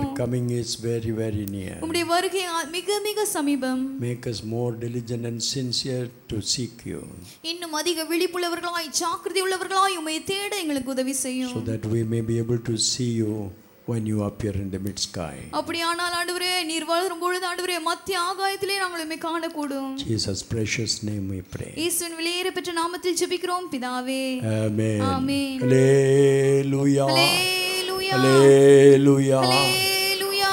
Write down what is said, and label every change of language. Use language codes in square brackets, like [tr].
[en] your coming is very very near [ta] உம்முடைய வருகை மிக மிக சமீபம் [en] make us more diligent and sincere to seek you [ta] இன்னும் அதிக விழிப்புள்ளவர்களாய் ஜாக்கிரதை உள்ளவர்களாய் உம்மை தேட எங்களுக்கு உதவி செய்யும் [en] so that we may be able to see you when you appear in the mid sky [ta] அப்படியானால் ஆண்டவரே நீர் வளரும் பொழுது ஆண்டவரே மத்திய ஆகாயத்திலே நாங்கள் உம்மை காண கூடும் [en] jesus precious name we pray [ta] இயேசுவின் விலையேறப்பெற்ற நாமத்தில் ஜெபிக்கிறோம் பிதாவே ஆமென் ஆமென் ஹalleluya ஹalleluya ஹalleluya ஹalleluya